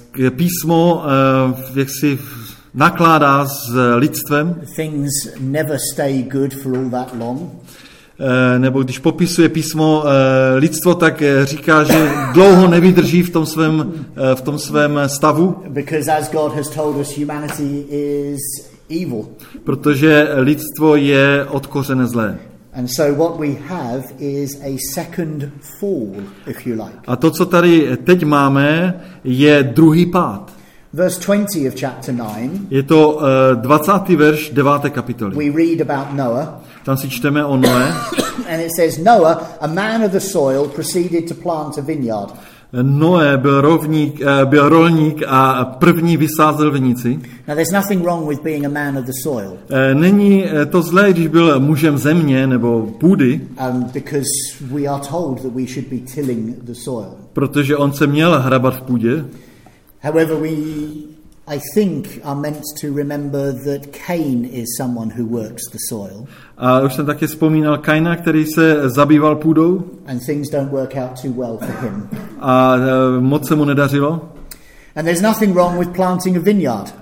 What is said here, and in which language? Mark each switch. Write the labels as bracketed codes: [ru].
[cs] písmo jaksi nakládá s lidstvem. [en] Things never stay good for all that long. [cs] Nebo když popisuje písmo lidstvo, tak říká, že dlouho nevydrží v tom svém stavu. [en] Because as God has told us, humanity is evil. [cs] Protože lidstvo je od kořene zlé. [en] And so what we have is a second fall, if you like. [cs] A to, co tady teď máme, je druhý pád. [en] Verse 20 of chapter 9. [cs] Je to 20. verš 9. kapitoly. [en] We read about Noah. [cs] Tam si čteme o Noé. [en] And it says Noah, a man of the soil, proceeded to plant a vineyard. [cs] Noé byl rolník a první vysázel vinici. [en] Now there's nothing wrong with being a man of the soil. [cs] Není to zlé, když byl mužem země nebo půdy. [en] Because we are told that we should be tilling the soil. [cs] Protože on se měl hrabat v půdě. [en] However, we, I think, are meant to remember that Cain is someone who works the soil. [cs] A už jsem taky vzpomínal Kaina, který se zabýval půdou. [en] And things don't work out too well for him. [cs] A moc se mu nedařilo. [en] And there's nothing wrong with planting a vineyard.